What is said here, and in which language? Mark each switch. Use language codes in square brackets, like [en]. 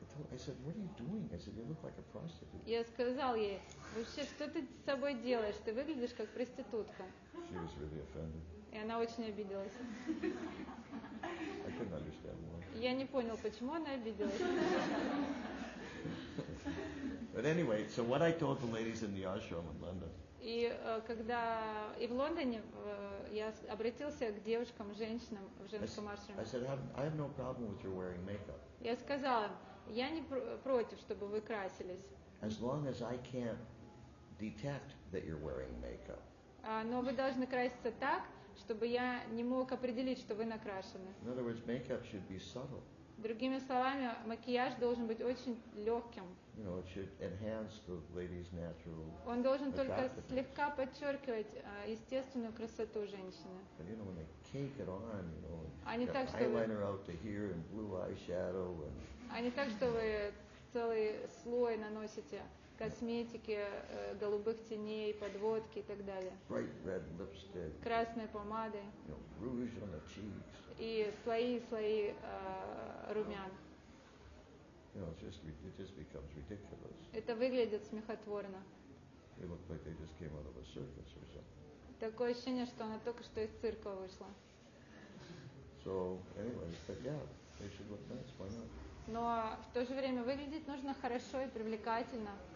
[en] I said, what are you doing? I said, you look like a prostitute. [ru] Я сказал ей, вообще, что ты с собой делаешь? Ты выглядишь как проститутка. [en] She was really offended. [ru] И она очень обиделась. [en] I couldn't understand why. [ru] Я не понял, почему она обиделась. [en] But anyway, so what I told the ladies in the ashram in London. [ru] И когда и в Лондоне я обратился к девушкам, женщинам в женском ашраме. [en] I said, I have no problem with your wearing makeup. [ru] Я сказала. Я не против, чтобы вы красились. [en] As long as I can't detect that you're wearing makeup. [ru] Но вы должны краситься так, чтобы я не мог определить, что вы накрашены. [en] In other words, makeup should be subtle. [ru] Другими словами, макияж должен быть очень легким. [en] You know, it should enhance the lady's natural. [ru] Он должен только слегка подчеркивать естественную красоту женщины. [en] But you know, when they cake it on, you know, got eyeliner out to here and blue eyeshadow and. [ru] А не так, что вы целый слой наносите косметики, голубых теней, подводки и так далее. [en] Bright red lipstick. [ru] Красной помады. [en] You know, rouge on the cheeks. [ru] И слои румян. [en] You know, it just becomes ridiculous. [ru] Это выглядит смехотворно. [en] They look like they just came out of a circus or something. [ru] Такое ощущение, что она только что из цирка вышла. [en] So, anyway, but yeah, they should look nice, why not? [ru] Но в то же время выглядеть нужно хорошо и привлекательно.